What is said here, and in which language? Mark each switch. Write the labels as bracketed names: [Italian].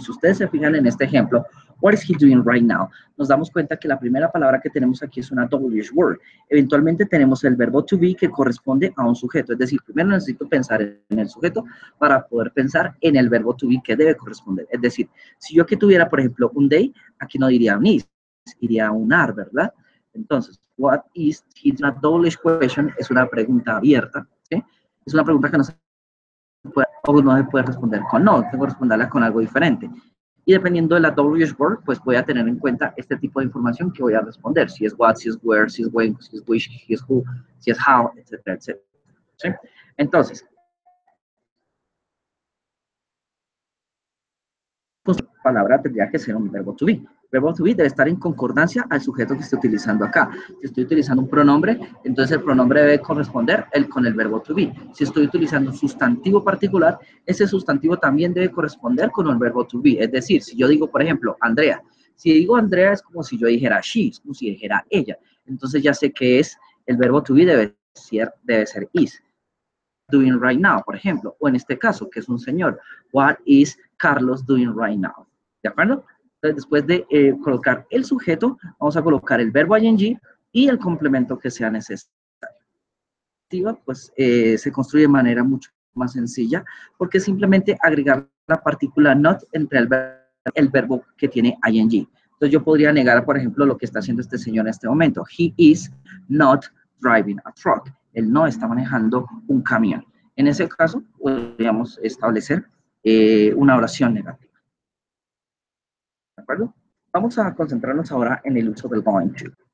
[Spanish] Si ustedes se fijan en este ejemplo, [English] what is he doing right now? [Spanish] Nos damos cuenta que la primera palabra que tenemos aquí es una WH word. Eventualmente tenemos el verbo to be que corresponde a un sujeto. Es decir, primero necesito pensar en el sujeto para poder pensar en el verbo to be que debe corresponder. Es decir, si yo aquí tuviera, por ejemplo, un day, aquí no diría un is, iría un are, ¿verdad? [English] Entonces, what is he doing? [Spanish] WH question es una pregunta abierta, ¿sí? Es una pregunta que nos o no se puede responder con no, tengo que responderla con algo diferente. Y dependiendo de la WH word, pues voy a tener en cuenta este tipo de información que voy a responder. Si es what, si es where, si es when, si es which, si es who, si es how, etcétera, etcétera. ¿Sí? Entonces, pues la palabra tendría que ser un verbo to be. Verbo to be debe estar en concordancia al sujeto que estoy utilizando acá. Si estoy utilizando un pronombre, entonces el pronombre debe corresponder con el verbo to be. Si estoy utilizando un sustantivo particular, ese sustantivo también debe corresponder con el verbo to be. Es decir, si yo digo, por ejemplo, Andrea. Si digo Andrea, es como si yo dijera she, es como si dijera ella. Entonces ya sé que es el verbo to be, debe ser is. [English] Doing right now, [Spanish] por ejemplo. O en este caso, que es un señor. [English] What is Carlos doing right now? [Spanish] ¿De acuerdo? Entonces, después de colocar el sujeto, vamos a colocar el verbo ing y el complemento que sea necesario. Pues se construye de manera mucho más sencilla, porque simplemente agregar la partícula not entre el verbo que tiene ing. Entonces, yo podría negar, por ejemplo, lo que está haciendo este señor en este momento. [English] He is not driving a truck. [Spanish] Él no está manejando un camión. En ese caso, podríamos establecer una oración negativa. ¿De acuerdo? Vamos a concentrarnos ahora en el uso del going to.